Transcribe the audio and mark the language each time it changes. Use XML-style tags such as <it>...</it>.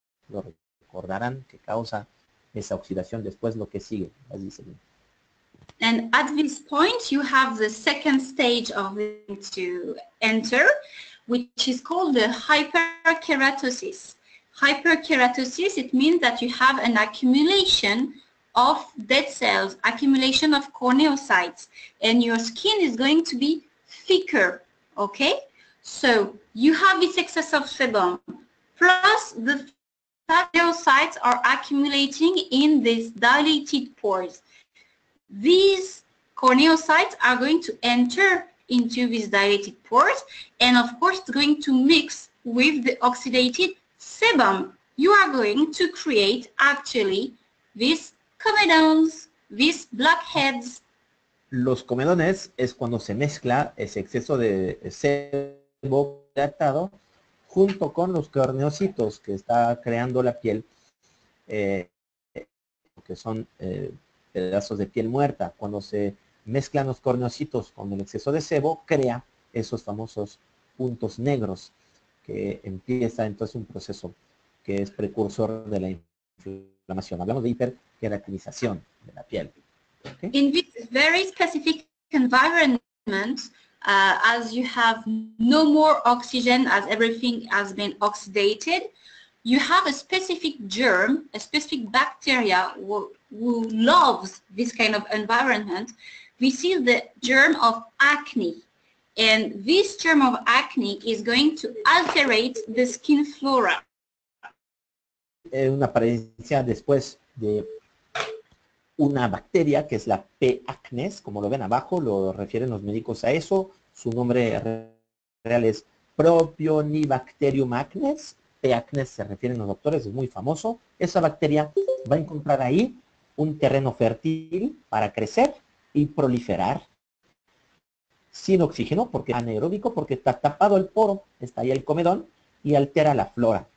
<es>Lo recordarán que causa esa oxidación después lo que sigue. Así se dice.</es> <en>And at this point, you have the second stage of it to enter, which is called the hyperkeratosis. Hyperkeratosis, it means that you have an accumulation of dead cells, accumulation of corneocytes, and your skin is going to be thicker, okay? So you have this excess of sebum, plus the corneocytes are accumulating in these dilated pores. These corneocytes are going to enter into these dilated pores, and of course it's going to mix with the oxidated sebum. You are going to create actually this comedones, these blackheads.</en> <es>Los comedones es cuando se mezcla ese exceso de sebo tratado junto con los corneocitos que está creando la piel, que son pedazos de piel muerta. Cuando se mezclan los corneocitos con el exceso de sebo, crea esos famosos puntos negros que empieza entonces un proceso que es precursor de la inflamación. Hablamos de hiperkeratinización de la piel.</es> <en>Okay. In this very specific environment, as you have no more oxygen, as everything has been oxidated, you have a specific germ, a specific bacteria who loves this kind of environment. This is the germ of acne. And this germ of acne is going to alterate the skin flora.</en> <es>una apariencia después de una bacteria que es la P. acnes, como lo ven abajo, lo refieren los médicos a eso. Su nombre real es Propionibacterium acnes. P. acnes se refieren los doctores, es muy famoso. Esa bacteria va a encontrar ahí un terreno fértil para crecer y proliferar sin oxígeno, porque anaeróbico, porque está tapado el poro, está ahí el comedón, y altera la flora.</es>